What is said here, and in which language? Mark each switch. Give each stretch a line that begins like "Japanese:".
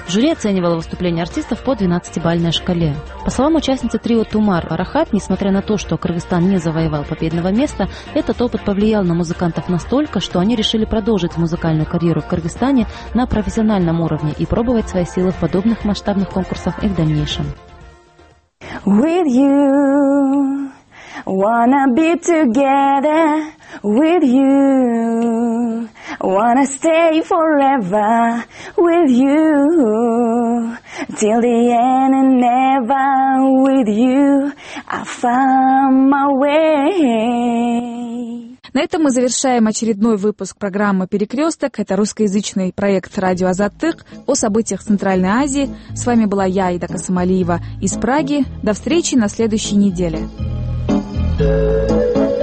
Russian: Жюри оценивало выступление артистов по 12-бальной шкале. По словам участницы трио «Тумар» Рахат, несмотря на то, что Кыргызстан не завоевал победного места, этот опыт повлиял на музыкантов настолько, что они решили продолжить музыкальную карьеру в Кыргызстане на профессиональном уровне и пробовать свои силы в подобных масштабных конкурсах и в дальнейшем.
English: With you, wanna be together. with you. Wanna stay forever with you. Till the end and never with you. I found my way.
Russian: На этом мы завершаем очередной выпуск программы «Перекресток». Это русскоязычный проект «Радио Азаттык» о событиях Центральной Азии. С вами была я, Ида Касымалиева, из Праги. До встречи на следующей неделе.